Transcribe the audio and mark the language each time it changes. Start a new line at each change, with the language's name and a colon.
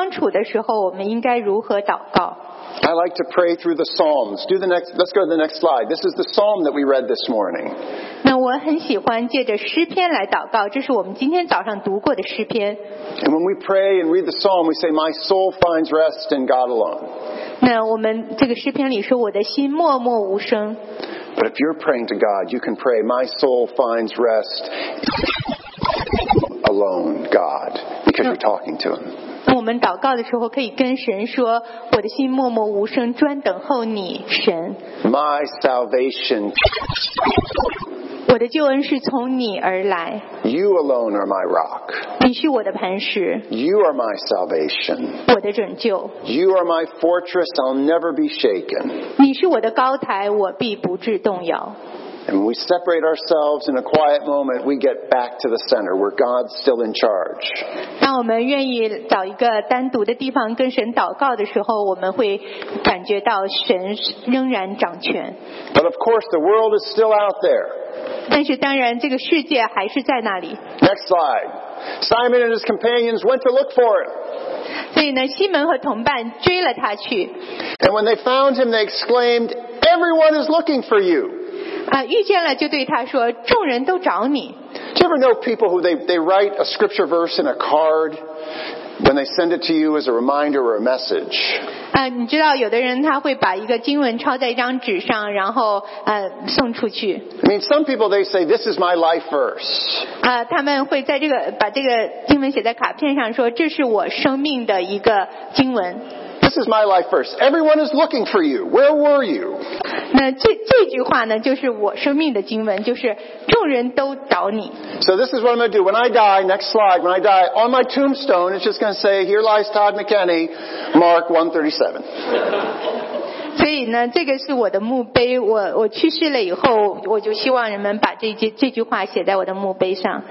Chinese: 当我们跟神单独相处的时候，我们应该如何祷告？
English: I like to pray through the Psalms. Let's go to the next slide. This is the Psalm that we read this morning.
Chinese: 那我很喜欢借着诗篇来祷告，这是我们今天早上读过的诗篇。
English: And when we pray and read the Psalm, we say, "My soul finds rest in God alone."
Chinese: 那我们这个诗篇里说，我的心默默无声。
English: But if you're praying to God, you can pray, "My soul finds rest alone, God," because you're talking to Him.
Chinese: 我们祷告的时候可以跟神说，我的心默默无声，专等候你，神。
English: My salvation
Chinese: 我的救恩是从你而来。
English: You alone are my rock.
Chinese: 你是我的磐石。
English: You are my salvation.
Chinese: 我的拯救。
English: You are my fortress, I'll never be shaken.
Chinese: 你是我的高台，我必不致动摇。
English: And when we separate ourselves in a quiet moment, we get back to the center where God's still in charge.
Chinese: 当我们愿意找一个单独的地方跟神祷告的时候，我们会感觉到神仍然掌权。
English: But of course, the world is still out there.
Chinese: 但是当然，这个世界还是在那里。
English: Next slide. Simon and his companions went to look for him.
Chinese: 所以呢，西门和同伴追了他去。
English: And when they found him, they exclaimed, "Everyone is looking for you."
Chinese: 遇见了就对他说，众人都找你。
English: Do you ever know people who they write a scripture verse in a card when they send it to you as a reminder or a message?
Chinese: 你知道有的人他会把一个经文抄在一张纸上，然后送出去。
English: I mean, some people they say this is my life verse.
Chinese: 他们会在这个把这个经文写在卡片上，说这是我生命的一个经文。
English: This is my life verse. Everyone is looking for you. Where were you?
Chinese: 那这句话呢，就是我生命的经文，就是众人都找你。
English: So this is what I'm going to do. When I die, next slide, when I die, on my tombstone, it's just going to say, here lies Todd McKinney, Mark
Chinese: 137. 所以呢，这个是我的墓碑。我去世了以后，我就希望人们把这句话写在我的墓碑上。